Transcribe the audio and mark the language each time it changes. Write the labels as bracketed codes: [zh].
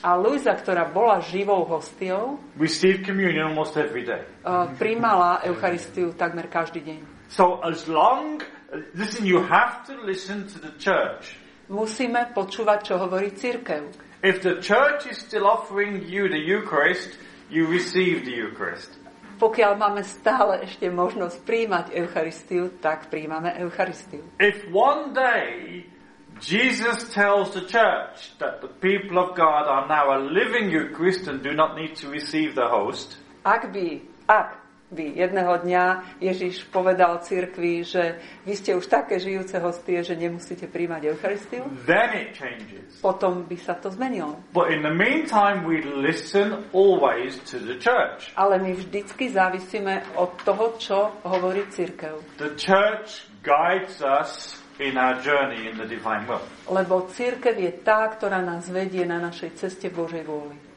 [sk] a Luisa, ktorá bola živou hostiou, [en] received communion almost every day. [sk] Prijímala Eucharistiu takmer každý deň. [en] So as long, listen, you have to listen to the church. [sk] Musíme počúvať, čo hovorí cirkev. [en] If the church is still offering you the Eucharist, you receive the Eucharist. [sk] Pokiaľ máme stále ešte možnosť prijímať Eucharistiu, tak prijímame Eucharistiu. [en] If one day Jesus tells the church that the people of God are now a living Eucharist and do not need to receive the host. [sk] Ak by jedného dňa Ježiš povedal cirkvi, že vy ste už také žijúce hostie, že nemusíte prijímať Eucharistiu, [en] then it changes. [sk] Potom by sa to zmenilo. [en] But in the meantime, we listen always to the church. [sk] Ale my vždycky závisíme od toho, čo hovorí cirkev. [en] The church guides us in our journey in the divine will. [sk] Lebo cirkev je tá, ktorá nás vedie na našej ceste Božej vôli.